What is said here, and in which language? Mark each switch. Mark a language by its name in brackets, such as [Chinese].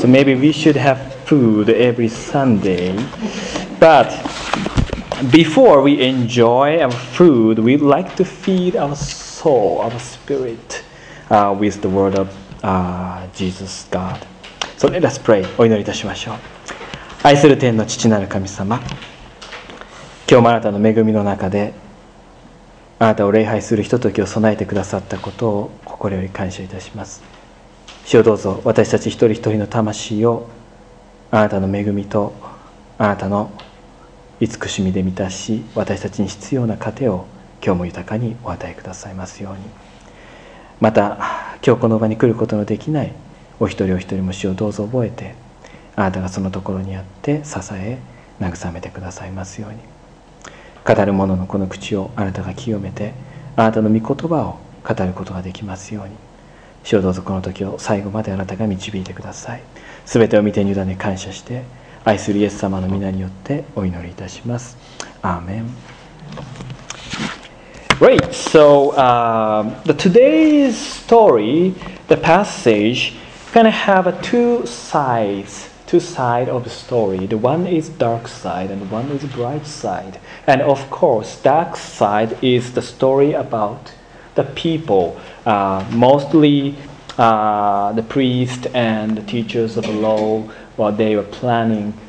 [English] So maybe we should have food every Sunday. But before we enjoy our food, we'd like to feed our soul, our spirit, with the word of Jesus God. So let us pray. [Japanese] お祈りいたしましょう。愛する天の父なる神様、今日もあなたの恵みの中で、あなたを礼拝するひとときを備えてくださったことを心より感謝いたします。主よ、どうぞ私たち一人一人の魂を、あなたの恵みと、あなたの慈しみで満たし、私たちに必要な糧を今日も豊かにお与えくださいますように。また今日この場に来ることのできないお一人お一人も主をどうぞ覚えて、あなたがそのところにあって支え慰めてくださいますように。語る者のこの口をあなたが清めて、あなたの御言葉を語ることができますように。主をどうぞこの時を最後まであなたが導いてください。すべてを御手に委ね感謝して、愛するイエス様の御名によってお祈りいたします。アーメン。 [English] Great. So, today's story, the passage, kind of have a two sides of the story. The one is dark side and one is bright side. And of course, dark side is the story about the people, mostly the priest and the teachers of the law, what they were planning.